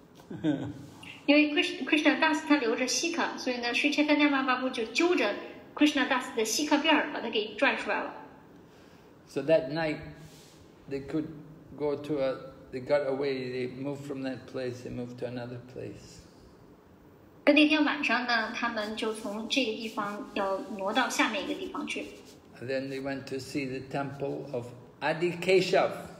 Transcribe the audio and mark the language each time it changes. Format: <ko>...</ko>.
<en>Because Krishna Das, he</en> <zh>留着 shika,</zh> <en>so then</en> <zh>Sri Chaitanya Mahaprabhu 就揪着 Krishna Das 的 shika 辫儿，把他给拽出来了。</zh> <en>So that night, they could go to a, they got away, they moved from that place, they moved to another place.</en> <zh>那那天晚上呢，他们就从这个地方要挪到下面一个地方去。</zh> <en>And then they went to see the temple of Adi Keshav.</en>